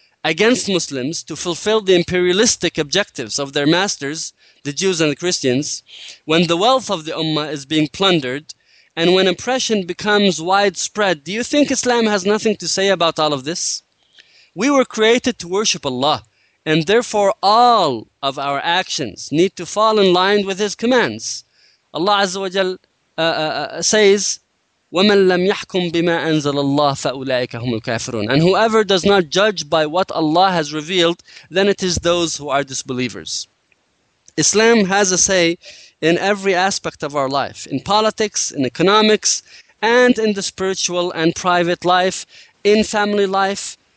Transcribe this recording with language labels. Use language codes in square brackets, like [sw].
[en] against Muslims to fulfill the imperialistic objectives of their masters, the Jews and the Christians, when the wealth of the ummah is being plundered, and when oppression becomes widespread, do you think Islam has nothing to say about all of this? We were created to worship Allah, and therefore all of our actions need to fall in line with His commands. Allah Azza wa Jal says, [ar] وَمَنْ لَمْ يَحْكُمْ بِمَا أَنزَلَ اللَّهُ فَأُولَٰئِكَ هُمُ الْكَافِرُونَ. [en] And whoever does not judge by what Allah has revealed, then it is those who are disbelievers. Islam has a say in every aspect of our life, in politics, in economics, and in the spiritual and private life, in family life.